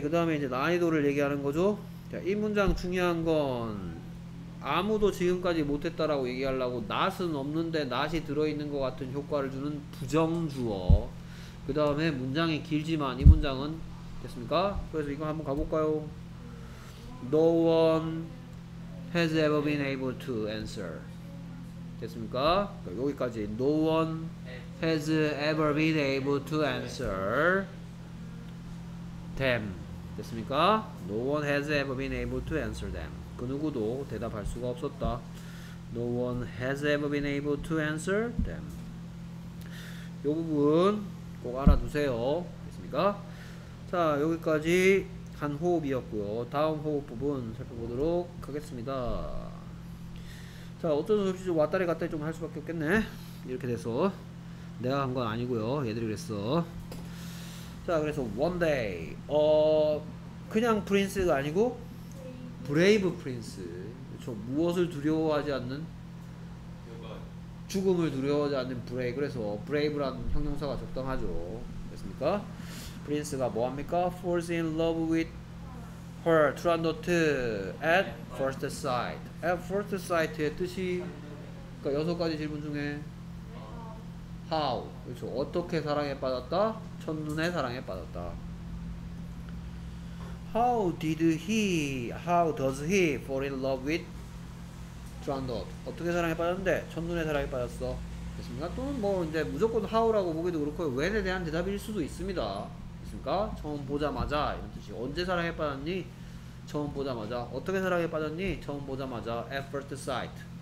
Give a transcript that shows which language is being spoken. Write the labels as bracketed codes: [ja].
[ko] 그 다음에 이제 난이도를 얘기하는 거죠. 자, 이 문장 중요한 건 아무도 지금까지 못했다라고 얘기하려고 not은 없는데 not이 들어있는 것 같은 효과를 주는 부정주어. 그 다음에 문장이 길지만 이 문장은 됐습니까? 그래서 이거 한번 가볼까요? [en] No one has ever been able to answer. [ko] 됐습니까? [en] 여기까지 No one has ever been able to answer them. [ko] 됐습니까? [en] No one has ever been able to answer them. [ko] 그 누구도 대답할 수가 없었다. [en] No one has ever been able to answer them. [ko] 요 부분 꼭 알아두세요. 됐습니까? 자, 여기까지 한 호흡이었고요. 다음 호흡 부분 살펴보도록 하겠습니다. 자, 어쩔 수 없이 좀 왔다리 갔다리 좀 할 수밖에 없겠네. 이렇게 돼서 내가 한 건 아니고요. 얘들이 그랬어. 자, 그래서 one day 그냥 프린스가 아니고 브레이브 프린스. 그렇죠? 무엇을 두려워하지 않는 죽음을 두려워하지 않는 브레이브. 그래서 브레이브라는 형용사가 적당하죠. 됐습니까? 프린스가 뭐합니까? [en] Falls in love with her, Turandot at first sight. [ko] At first sight의 뜻이 그러니까 여섯 가지 질문 중에 How? 그렇죠. 어떻게 사랑에 빠졌다? 첫눈에 사랑에 빠졌다. [en] How did he, how does he fall in love with Turandot? [ko] 어떻게 사랑에 빠졌는데? 첫눈에 사랑에 빠졌어. 됐습니까? 또는 뭐 이제 무조건 How라고 보기도 그렇고 When에 대한 대답일 수도 있습니다. 처음 보자마자 이런 뜻이 언제 사랑에 빠졌니? 처음 보자마자 어떻게 사랑에 빠졌니? 처음 보자마자 [en] at first sight.